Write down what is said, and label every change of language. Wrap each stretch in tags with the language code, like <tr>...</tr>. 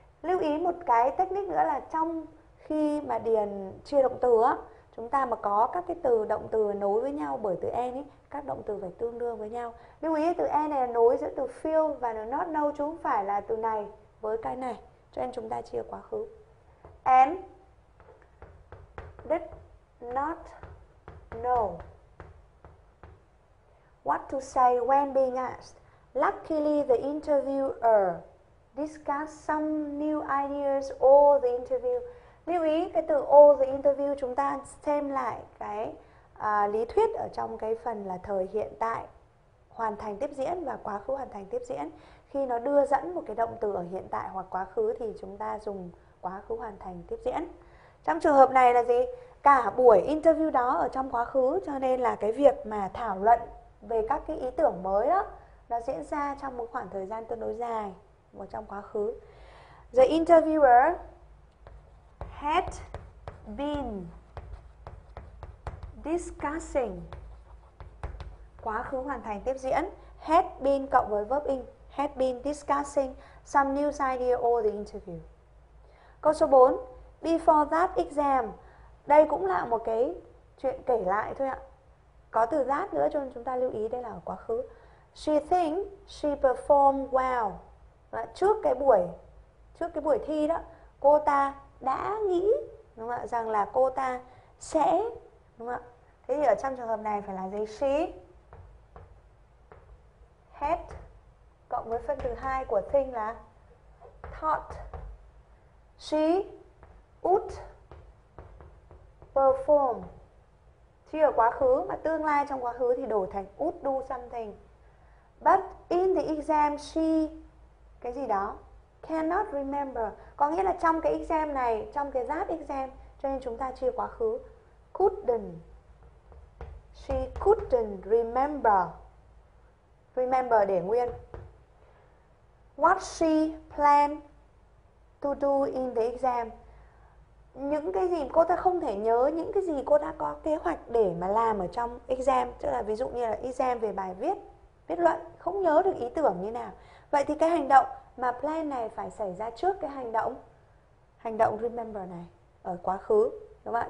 <vi>Lưu ý một cái technique nữa là trong khi mà điền chia động từ á, chúng ta mà có các cái từ động từ nối với nhau bởi từ and ấy, các động từ phải tương đương với nhau. Lưu ý từ and này là nối giữa từ feel và từ not know, chứ không phải là từ này với cái này. Cho nên chúng ta chia quá khứ.</vi> <en>And did not know what to say when being asked. Luckily, the interviewer discussed some new ideas all the interview.</en> <vi>Lưu ý cái từ all the interview, chúng ta xem lại cái lý thuyết ở trong cái phần là thời hiện tại hoàn thành tiếp diễn và quá khứ hoàn thành tiếp diễn. Khi nó đưa dẫn một cái động từ ở hiện tại hoặc quá khứ thì chúng ta dùng quá khứ hoàn thành tiếp diễn. Trong trường hợp này là gì? Cả buổi interview đó ở trong quá khứ, cho nên là cái việc mà thảo luận về các cái ý tưởng mới đó nó diễn ra trong một khoảng thời gian tương đối dài ở trong quá khứ.</vi> <en>The interviewer had been discussing,</en> <vi>quá khứ hoàn thành tiếp diễn,</vi> <en>had been</en> <vi>cộng với</vi> <en>verb in, had been discussing some new idea all the interview.</en> <vi>Câu số 4,</vi> <en>before that exam,</en> <vi>đây cũng là một cái chuyện kể lại thôi ạ. Có từ that nữa cho nên chúng ta lưu ý đây là ở quá khứ.</vi> <en>She think she performed well.</en> <vi>Và trước cái buổi thi đó, cô ta đã nghĩ đúng không ạ, rằng là cô ta sẽ đúng không ạ? Thế thì ở trong trường hợp này phải là gì?</vi> <en>She had</en> <vi>cộng với phân từ hai của think là thought.</vi> <en>She would perform.</en> <vi>Chỉ ở quá khứ mà tương lai trong quá khứ thì đổi thành would do something.</vi> <en>But in the exam she</en> <vi>cái gì đó</vi> <en>cannot remember.</en> <vi>Có nghĩa là trong cái exam này, trong cái giáp exam, cho nên chúng ta chia quá khứ.</vi> <en>Couldn't. She couldn't remember. Remember</en> <vi>để nguyên.</vi> <en>What she planned to do in the exam.</en> <vi>Những cái gì cô ta không thể nhớ, những cái gì cô đã có kế hoạch để mà làm ở trong exam, tức là ví dụ như là exam về bài viết, viết luận, không nhớ được ý tưởng như nào. Vậy thì cái hành động mà plan này phải xảy ra trước cái hành động remember này ở quá khứ, đúng không ạ?</vi>